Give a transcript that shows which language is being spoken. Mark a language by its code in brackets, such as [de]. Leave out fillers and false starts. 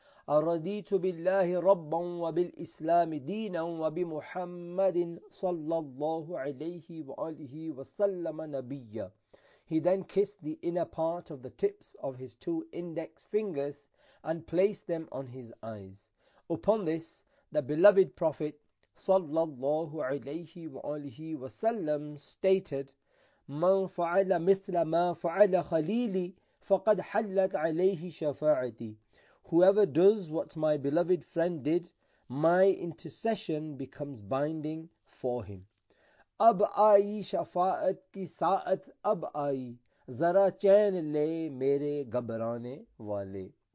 [ar] أَرَدِيتُ بِاللَّهِ رَبًّا وَبِالْإِسْلَامِ دِينًا وَبِمُحَمَّدٍ صَلَّى اللَّهُ عَلَيْهِ وَعَلِهِ وَسَلَّمَ نَبِيًّا. [en] He then kissed the inner part of the tips of his two index fingers and placed them on his eyes. Upon this, the beloved Prophet صَلَّى اللَّهُ عَلَيْهِ وَعَلِهِ وَسَلَّمَ stated, [ar] من فعل مثل ما فعل خليلي فقد حلت عليه شفاعتي. [en] Whoever does what my beloved friend did, my intercession becomes binding for him. [ur] اب آئی شفاعت کی ساعت اب آئی, ذرا چین لے میرے گھبرانے والے.